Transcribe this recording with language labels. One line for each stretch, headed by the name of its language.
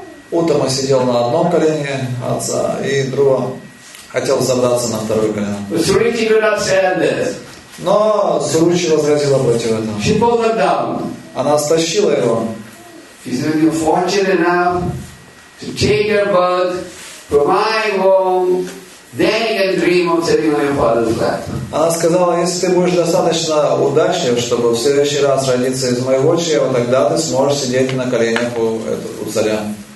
Russian: Утама сидел на одном колене отца, и Друва хотел забраться на второе колено. Но Суручи возразила против этого. Она стащила его.
English: He said, "You're fortunate enough to take your birth from my womb. Then sitting on your father's lap.
Russian: Она сказала, если ты будешь достаточно удачлив, чтобы в следующий раз родиться из моего чрева, тогда ты сможешь сидеть на коленях у царя.